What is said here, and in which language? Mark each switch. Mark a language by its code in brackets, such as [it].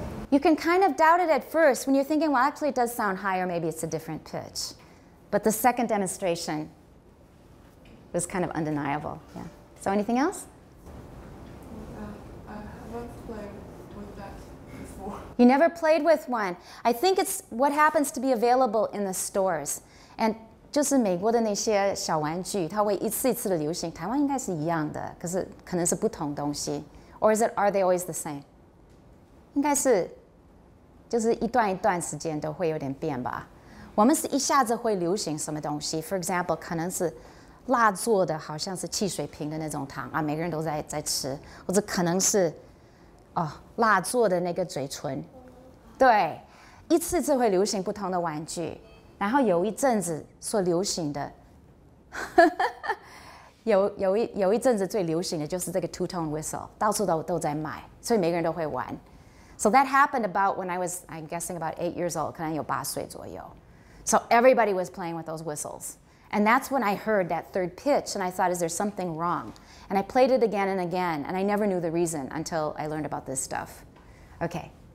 [en] You can kind of doubt it at first when you're thinking, well, actually it does sound higher, maybe it's a different pitch. But the second demonstration was kind of undeniable. Yeah. So anything else? I haven't played with that before. You never played with one. I think it's what happens to be available in the stores. [zh] And 就是美国的那些小玩具,它会一次一次的流行,台湾应该是一样的,可是可能是不同东西. [en] Or is it, are they always the same? [zh] 应该是 就是一段一段时间都会有点变吧。我们是一下子会流行什么东西, [en] for example, [zh] 可能是蜡做的好像是汽水瓶的那种糖,每个人都在吃,或者可能是蜡做的那个嘴唇。对,一次一次会流行不同的玩具,然后有一阵子最流行的就是这个 [en] two-tone whistle, [zh] 到处都在卖, 所以每个人都会玩。 [en] So that happened about when I was, I'm guessing, about 8 years old, [zh] 可能有八岁左右. [en] So everybody was playing with those whistles. And that's when I heard that third pitch, and I thought, is there something wrong? And I played it again and again, and I never knew the reason until I learned about this stuff. Okay.